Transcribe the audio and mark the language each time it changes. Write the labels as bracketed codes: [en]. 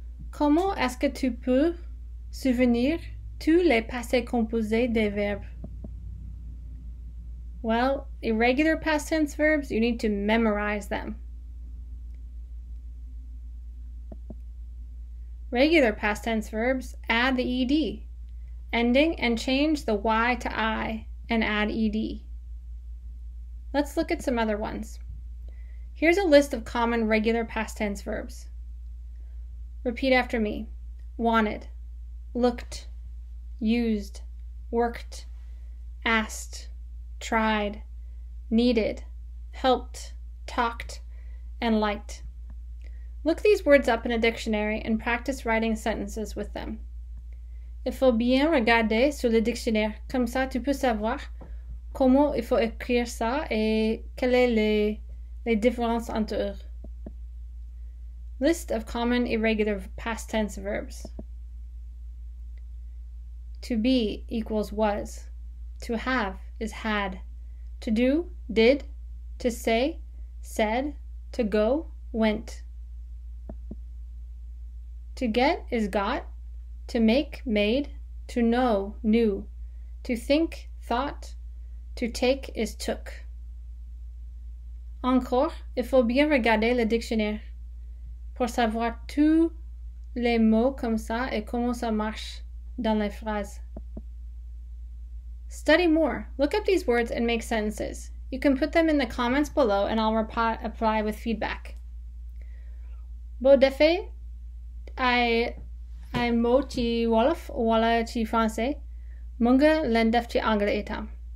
[fr] Comment est-ce que tu peux souvenir tous les passés composés des verbes? [en] Well, irregular past tense verbs, you need to memorize them. Regular past tense verbs, add the ed ending and change the y to I and add ed. Let's look at some other ones. Here's a list of common regular past tense verbs. Repeat after me. Wanted, looked, used, worked, asked, tried, needed, helped, talked, and liked. Look these words up in a dictionary and practice writing sentences with them. [fr] Il faut bien regarder sur le dictionnaire, comme ça tu peux savoir comment il faut écrire ça et quelles sont les différences entre eux. [en] List of common irregular past tense verbs. To be equals was. To have is had. To do, did. To say, said. To go, went. To get is got. To make, made. To know, knew. To think, thought. To take is took. [fr] Encore, il faut bien regarder le dictionnaire pour savoir tous les mots comme ça et comment ça marche dans les phrases. [en] Study more. Look up these words and make sentences. You can put them in the comments below and I'll reply with feedback. [fr] Bon, de fait, [wo] I mot chi Wolof, wala chi francais, munga lendef chi anglais etam.